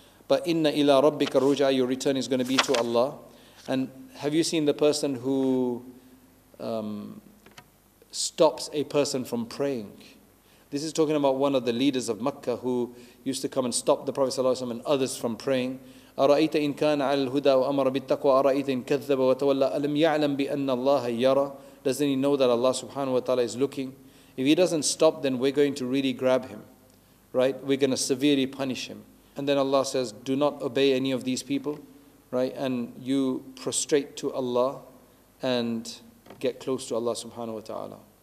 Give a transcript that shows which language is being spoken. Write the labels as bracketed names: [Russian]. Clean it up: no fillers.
[English] But [Arabic] إِنَّ إِلَىٰ رَبِّكَ رُجْعَى [English] Your return is going to be to Allah. And have you seen the person who stops a person from praying? This is talking about one of the leaders of Makkah who used to come and stop the Prophet ﷺ and others from praying. [Arabic] أَرَأَيْتَ إِنْ كَانَ عَلَى الْهُدَى وَأَمَرَ بِالتَّقْوَى أَرَأَيْتَ إِنْ كَذَّبَ وَتَوَلَّى أَلَمْ يَعْلَمْ بِأَنَّ اللَّهَ يَرَى [English] Doesn't he know that Allah subhanahu wa ta'ala is looking? If he doesn't stop, then we're going to really grab him, right? We're going to severely punish him. And then Allah says, do not obey any of these people, right? And you prostrate to Allah and get close to Allah subhanahu wa ta'ala.